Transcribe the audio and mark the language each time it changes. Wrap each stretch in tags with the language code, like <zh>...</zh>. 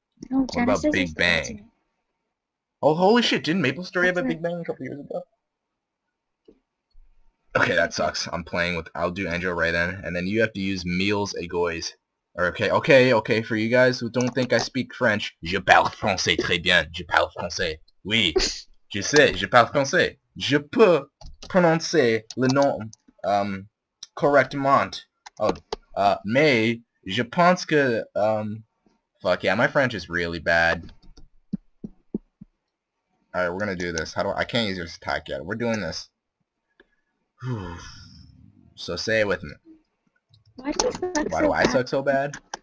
<en>No, what about Big Bang? Oh, holy shit, didn't MapleStory have a Big Bang a couple years ago? Okay, that sucks. I'm playing with... I'll do Angel Ray then. And then you have to use Meals Egoys. Okay, for you guys who don't think I speak French.</en> <fr>Je parle français très bien. Je parle français. Oui. Je sais. Je parle français. Je peux prononcer le nom correctement. Mais je pense que...</fr> <en>Fuck yeah, my French is really bad. Alright, we're gonna do this. I can't use this attack yet. We're doing this. So say it with me. Why do I suck so bad?</en>